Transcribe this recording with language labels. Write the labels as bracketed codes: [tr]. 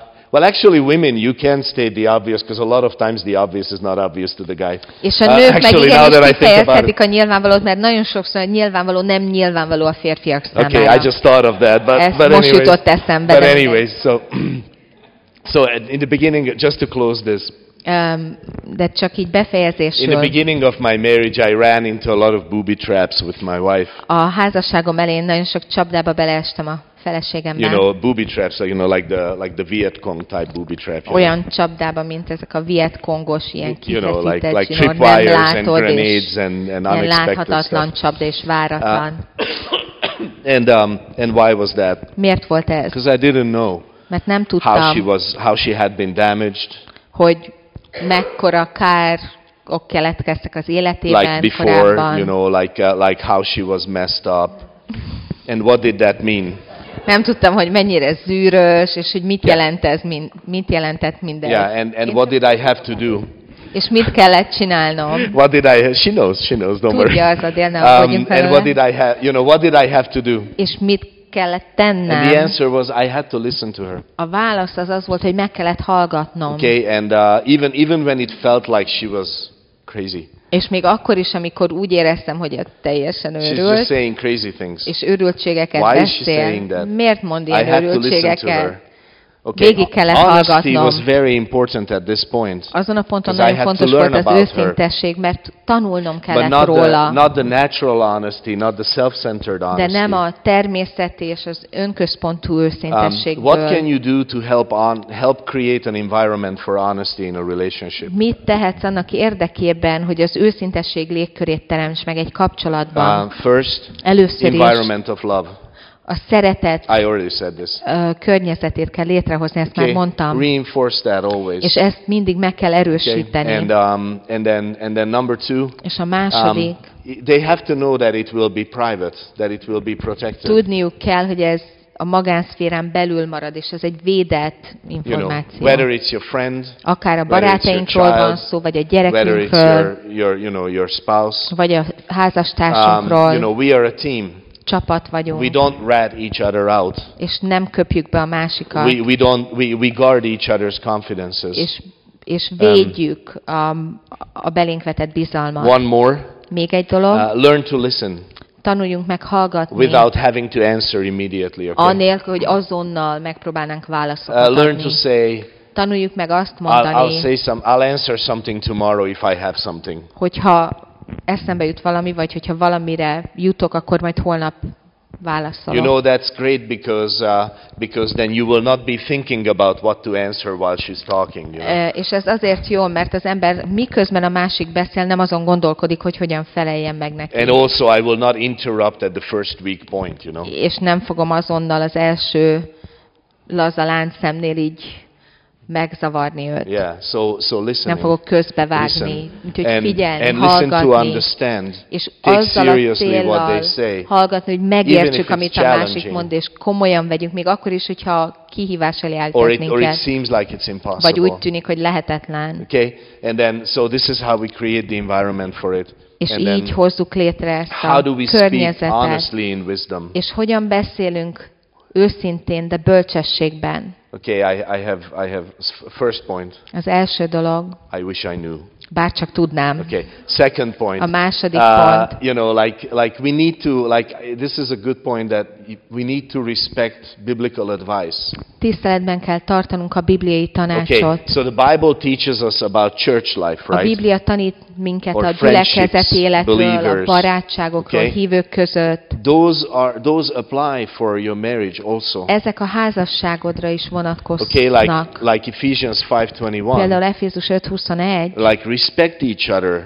[en] Well, actually, women, you can state the obvious, because a lot of times the obvious is not obvious to the guy. [hu] És a nők meg igenis kifejezhetik a nyilvánvalót, mert nagyon sokszor nyilvánvaló nem nyilvánvaló a férfiak számára. [en] Okay, I just thought of that, but anyways, so in the beginning, just to close this. [hu] De csak így befejezésül. [en] In the beginning of my marriage, I ran into a lot of booby traps with my wife. [hu] A házasságom elején nagyon sok csapdába beleestem a feleségemmel. [en] You know, booby traps, you know, like the Viet Cong type booby trap. [hu] Olyan csapdába, mint ezek a Viet Cong-os ilyen kifeszített, [en] you know, like tripwires and grenades and unexpected stuff. [hu] Láthatatlan csapda és váratlan. [en] And why was that? [hu] Miért volt ez? [en] Because I didn't know. [hu] Mert nem tudtam. [en] How she had been damaged. [hu] Hogy mekkora kár ok keletkeztek az életében, [en] like before, [hu] korábban. [en] You know, like how she was messed up. And what did that mean? [hu] Nem tudtam, hogy mennyire zűrös, és hogy mit jelent ez, mit jelentett mindez. [en] Yeah, and what did I have to do? [hu] És mit kellett csinálnom? [en] What did I? She knows. Don't worry. [hu] Tudja az a Adélna, hogy [en] and what did I have? You know, what did I have to do? [hu] És mit kellett tennem? [en] And the answer was, I had to listen to her. [hu] A válasz az volt, hogy meg kellett hallgatnom. [en] Okay, and even when it felt like she was crazy. [hu] És még akkor is, amikor úgy éreztem, hogy teljesen őrült. [en] She's just saying crazy things. [hu] És őrültségeket beszél. [en] Why is she saying that? [hu] Miért mond ilyen őrültségeket? [en] Okay. [hu] Végig kellett [en] honesty [hu] hallgatnom. [en] Was very important at this point. [hu] Azon a ponton nagyon fontos volt az őszintesség, mert tanulnom kellett [en] but not [hu] róla. [en] Not the natural honesty, not the self-centered honesty. [hu] De nem a természeti és az önközpontú őszintességből. [en] What can you do to help create an environment for honesty in a relationship? [hu] Mit tehetsz annak érdekében, hogy az őszintesség légkörét teremts meg egy kapcsolatban? [en] First, [hu] először is. [en] Environment of love. [hu] A szeretet [en] I already said this. [hu] Környezetét kell létrehozni, ezt [en] okay. [hu] már mondtam. [en] Reinforce that always. [hu] És ezt mindig meg kell erősíteni. [en] Okay. And then number two. [hu] És a második. [en] They have to know that it will be private, that it will be protected. [hu] Tudniuk kell, hogy ez a magánszférán belül marad, és ez egy védett információ. [en] You know, whether it's your friend, [hu] akár a barátainkról van szó, vagy a gyerekünkről, [en] whether it's your, you know, your spouse, [hu] vagy a házastársunkról. [en] You know, we are a team. [hu] Csapat vagyunk. [en] We don't rat each other out. [hu] És nem köpjük be a másikat. [en] We guard each other's confidences. [hu] És védjük a belénk vetett bizalmat. [en] One more. [hu] Még egy dolog. [en] Learn to listen. [hu] Tanuljunk meg hallgatni. [en] Without having to answer immediately. Okay? [hu] Anélkül, hogy azonnal megpróbálnánk válaszolni. [en] Learn to say. [hu] Tanuljuk meg azt mondani. [en] I'll answer something tomorrow if I have something. [hu] Hogyha eszembe jut valami, vagy hogyha valamire jutok, akkor majd holnap válaszolok. [en] You know, that's great because then you will not be thinking about what to answer while she's talking. You know? [hu] És ez azért jó, mert az ember miközben a másik beszél, nem azon gondolkodik, hogy hogyan feleljen meg neki. [en] And also I will not interrupt at the first weak point, you know. [hu] És nem fogom azonnal az első laza láncszemnél így megzavarni őt. [en] Yeah, so listen. [hu] Nem fogok közbevágni, úgyhogy figyelni, [en] and [hu] hallgatni. És azzal a céllal hallgatni, hogy megértsük, amit a másik mond, és komolyan vegyünk, még akkor is, hogyha kihívás elé állítasz minket. Vagy úgy tűnik, hogy lehetetlen. [en] Okay, and then so this is how we create the environment for it. [hu] És így hozzuk létre ezt a környezetet. [en] How do we speak honestly in wisdom? [hu] És hogyan beszélünk őszintén, de bölcsességben? [en] Okay, I have first point. [hu] Az első dolog. [en] I wish I knew. [hu] Bárcsak tudnám. [en] Okay, second point. [hu] A második pont. [en] You know, like we need to, like this is a good point that we need to respect biblical advice. [hu] Tiszteletben kell tartanunk a bibliai tanácsot. [en] Okay, so the Bible teaches us about church life, right? [hu] A Biblia tanít minket a gyülekezeti életről, [en] believers, [hu] a barátságokról, [en] okay? [hu] Hívők között. [en] Those apply for your marriage also. [hu] Ezek a házasságodra is vonatkoznak. [en] Okay, like Ephesians 5:21. [hu] Például Efézus 5:21. [en] Like respect each other.